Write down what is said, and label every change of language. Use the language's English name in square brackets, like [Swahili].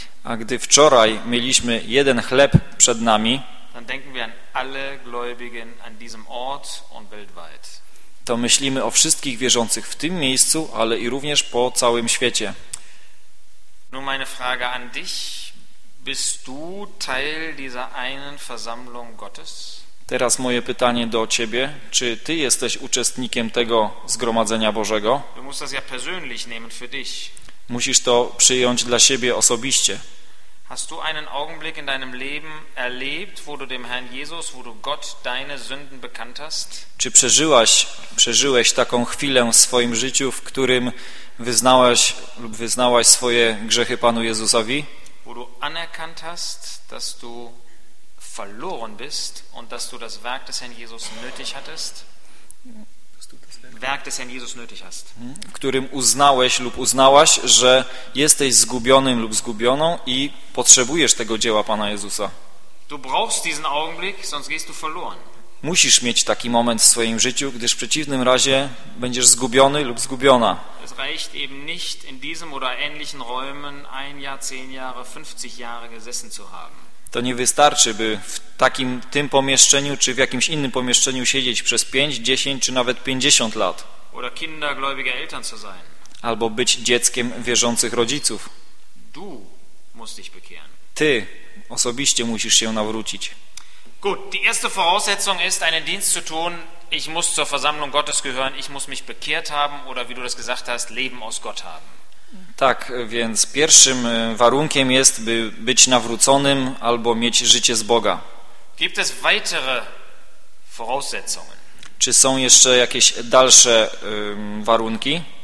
[Polish] a gdy wczoraj mieliśmy jeden chleb przed nami, [German] dann denken wir an alle Gläubigen an diesem Ort und weltweit. [Polish] To myślimy o wszystkich wierzących w tym miejscu, ale i również po całym świecie. [German] Nur meine Frage an dich, bist du Teil dieser einen Versammlung Gottes? [Polish] Teraz moje pytanie do ciebie, czy ty jesteś uczestnikiem tego zgromadzenia Bożego? [German] Du musst das ja persönlich nehmen für dich. [Polish] Musisz to przyjąć dla siebie osobiście. [German] Hast du einen Augenblick in deinem Leben erlebt, wo du dem Herrn Jesus, wo du Gott deine Sünden bekannt hast? [Polish] Czy przeżyłeś taką chwilę w swoim życiu, w którym wyznałeś lub wyznałaś swoje grzechy Panu Jezusowi? [German] Wo du anerkannt hast, dass du verloren bist und dass du das Werk des Herrn Jesus nötig hattest. Werk des Herrn Jesus nötig hast. [Polish] W którym uznałeś lub uznałaś, że jesteś zgubionym lub zgubioną i potrzebujesz tego dzieła Pana Jezusa. [German] Du brauchst diesen Augenblick, sonst gehst du verloren. [Polish] Musisz mieć taki moment w swoim życiu, gdyż w przeciwnym razie będziesz zgubiony lub zgubiona. [German] Es reicht eben nicht in diesem oder ähnlichen Räumen ein Jahr, zehn Jahre, 50 Jahre gesessen zu haben. [Polish] To nie wystarczy, by w takim tym pomieszczeniu czy w jakimś innym pomieszczeniu siedzieć przez 5, 10 czy nawet 50 lat. [German] Oder Kinder gläubiger Eltern zu sein. [Polish] Albo być dzieckiem wierzących rodziców. [German] Du musst dich bekehren. [Polish] Ty osobiście musisz się nawrócić. [German] Gut, die erste Voraussetzung ist, einen Dienst zu tun. Ich muss zur Versammlung Gottes gehören. Ich muss mich bekehrt haben oder wie du das gesagt hast, Leben aus Gott haben. [Polish] Tak, więc pierwszym warunkiem jest, by być nawróconym albo mieć życie z Boga. [German] Gibt es weitere Voraussetzungen? [Polish] Czy są jeszcze jakieś dalsze warunki?